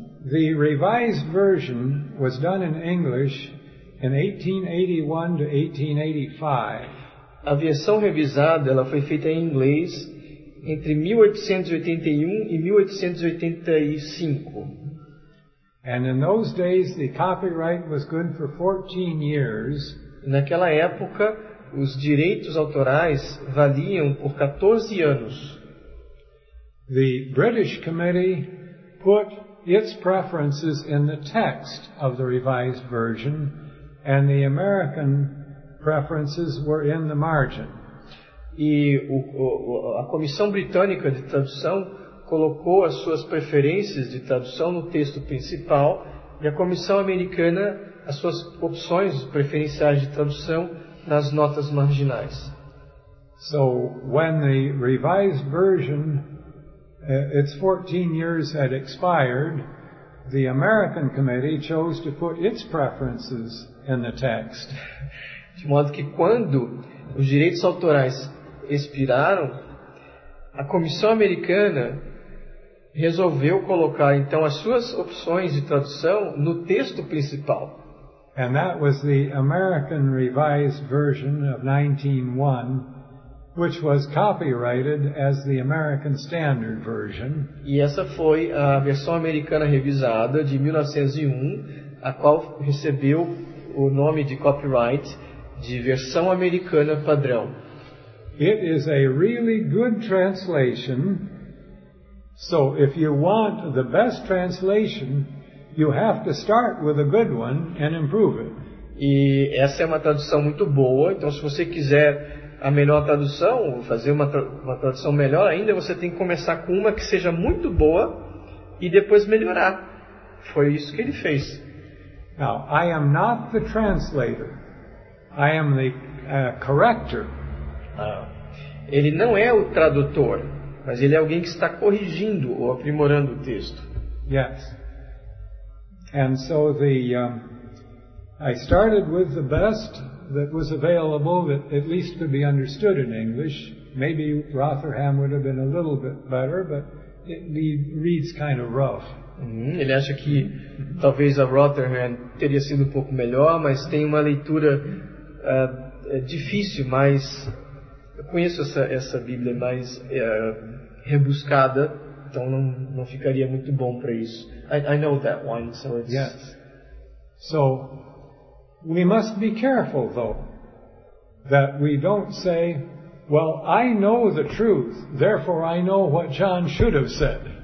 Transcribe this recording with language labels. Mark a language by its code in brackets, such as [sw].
[en] The revised version was done in English in 1881 to 1885. [pt] A versão revisada, ela foi feita em inglês entre 1881 e 1885. [en] And in those days, the copyright was good for 14 years. [pt] Naquela época, os direitos autorais valiam por 14 anos. [en] The British Committee put its preferences in the text of the revised version, and the American preferences were in the margin. [pt] E a Comissão Britânica de Tradução colocou as suas preferências de tradução no texto principal, e a Comissão Americana as suas opções preferenciais de tradução nas notas marginais. [en] So when the revised version, its 14 years had expired, the American committee chose to put its preferences in the text. [pt] De modo que quando os direitos autorais expiraram, a comissão americana resolveu colocar então as suas opções de tradução no texto principal. [en] And that was the American Revised Version of 1901, which was copyrighted as the American Standard Version. [pt] E essa foi a versão americana revisada de 1901, a qual recebeu o nome de copyright de versão americana padrão. [en] It is a really good translation. So if you want the best translation, you have to start with a good one and improve it. [pt] E essa é uma tradução muito boa, então se você quiser a melhor tradução, ou fazer uma tradução melhor ainda, você tem que começar com uma que seja muito boa e depois melhorar. Foi isso que ele fez. [en] Now, I am not the translator. I am the corrector. [pt] Ele não é o tradutor, mas ele é alguém que está corrigindo ou aprimorando o texto. [en] Yes. And so the I started with the best that was available that at least could be understood in English. Maybe Rotherham would have been a little bit better, but it reads kind of rough. [pt] Ele acha que talvez a Rotherham teria sido um pouco melhor, mas tem uma leitura difícil, mas eu conheço essa Bíblia mais rebuscada, então não ficaria muito bom para isso. [en] I know that one, so it's... Yes. So, we must be careful, though, that we don't say, well, I know the truth, therefore I know what John should have said.